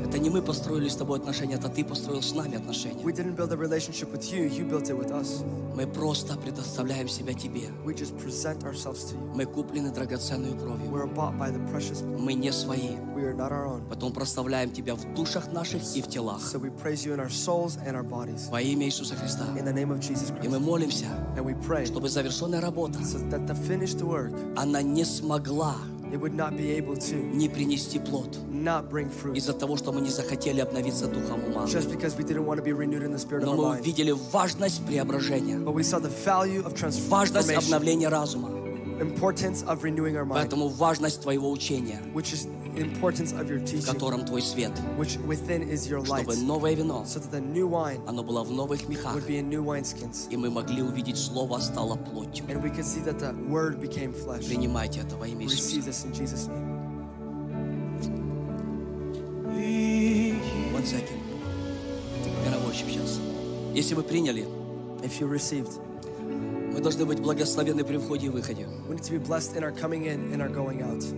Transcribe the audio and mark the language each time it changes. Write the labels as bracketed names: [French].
[Russian] Это не мы построили с тобой отношения, это ты построил с нами отношения. [English] We didn't build a relationship with you, you built it with us. [Russian] Мы просто предоставляем себя тебе. [English] We just present ourselves to you. [Russian] Мы куплены драгоценной кровью. [English] We're bought by the precious blood. [Russian] Мы не свои. [English] We are not our own. [Russian] Потом прославляем тебя в душах наших и в телах. [English] So we praise you in our souls and our bodies. [Russian] Во имя Иисуса Христа. [English] In the name of Jesus Christ. [Russian] И мы молимся, [English] and we pray, [Russian] чтобы завершенная работа, [English] so that the finished work, [Russian] она не смогла, [English] it would not be able to, [Russian] не принести плод, [English] not bring fruit, [Russian] из-за того, что мы не захотели обновиться духом ума. [English] Just because we didn't want to be renewed in the spirit of our mind. [Russian] Но мы увидели важность преображения. [English] But we saw the value of transformation. [Russian] Важность обновления разума. [English] Importance of renewing our mind. [Russian] Поэтому важность твоего учения. [English] Which is importance of your teaching, [Russian] в котором твой свет, [English] which within is your light, [Russian] чтобы новое вино, [English] so that the new wine, [Russian] оно было в новых мехах, [English] would be in new wineskins, [Russian] и мы могли увидеть слово стало плотью, [English] and we could see that the word became flesh. [Russian] Принимайте это во имя Иисуса. [English] Receive this in Jesus name. One second. [Russian] Я на очередь сейчас. Если вы приняли, [English] if you received, [Russian] мы должны быть благословены при входе и выходе. [English] We need to be blessed in our coming in and our going out.